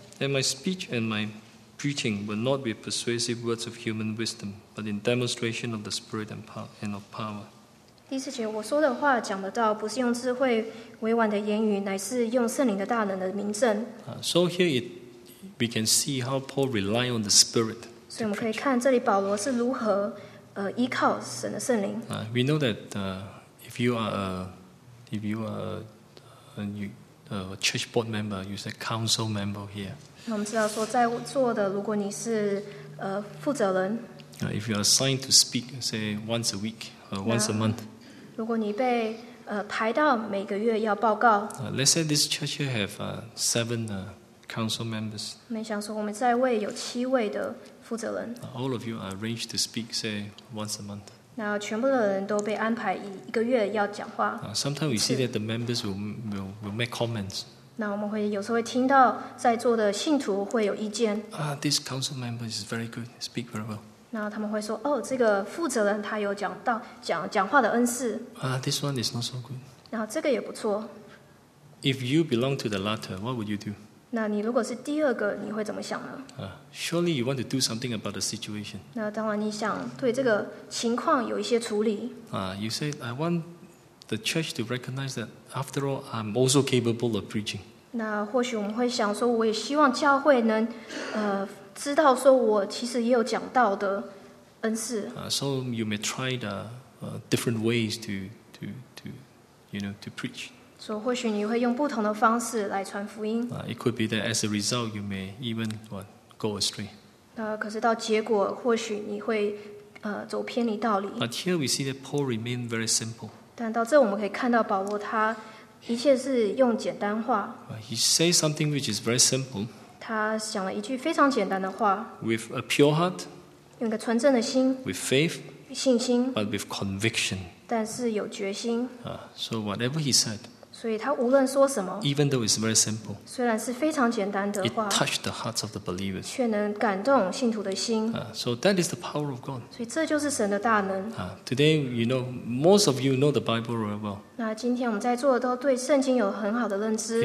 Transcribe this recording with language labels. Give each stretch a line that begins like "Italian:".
English: And my speech and my preaching were not with persuasive words of human wisdom, but in demonstration of the Spirit and of power.
Chinese: 第四节，我说的话讲的道，不是用智慧委婉的言语，乃是用圣灵的大能的明证。
English: So here we can see how Paul relied on the Spirit.
Chinese: 所以我们可以看这里保罗是如何依靠神的圣灵。
English: We know that If you are a church board member, you say council member here.
Chinese: 那我们知道说，在座的，如果你是负责人。
English: If you are assigned to speak, say once a week or once a month.
Chinese: 如果你被排到每个月要报告。
English: Let's say this church here have seven council members.
Chinese: 我们想说，我们在位有七位的负责人。
English: All of you are arranged to speak, say once a month.
Chinese: 那全部的人都被安排一个月要讲话。
English: Sometimes we see that the members will make comments.
Chinese: 那我们会有时候会听到在座的信徒会有意见。
English: This council member is very good, speak very well.
Chinese: 那他们会说，哦，这个负责人他有讲话的恩赐。
English: This one is not so good.
Chinese: 那这个也不错。
English: If you belong to the latter, what would you do?
Chinese: 那你如果是第二个，你会怎么想呢？
English: Surely you want to do something about the situation.
Chinese: 那当然你想对这个情况有一些处理。
English: You say, I want the church to recognize that after all, I'm also capable of preaching.
Chinese: 那或许我们会想说，我也希望教会能知道说我其实也有讲道的恩赐。
English: So you may try the different ways to preach.
Chinese: 所以或许你会用不同的方式来传福音。
English: It could be that as a result, you may even go astray.
Chinese: 可是到结果，或许你会走偏离道理。
English: But here we see that Paul remained very simple.
Chinese: 但到这我们可以看到保罗他一切是用简单话。
English: He says something which is very simple.
Chinese: 他讲了一句非常简单的话。
English: With a pure heart.
Chinese: 用个纯正的心。
English: With faith.
Chinese: 信心。
English: But with conviction.
Chinese: 但是有决心。
English: So whatever he said.
Chinese: 所以他无论说什么
English: Even though it's very simple,
Chinese: 虽然是非常简单的话
English: it touched the hearts of the believers.
Chinese: 却能感动信徒的心
English: So that is the power of God.
Chinese: 所以这就是神的大能
English: Today, you know, most of you know the Bible very well.
Chinese: 那今天我们在座的都对圣经有很好的认知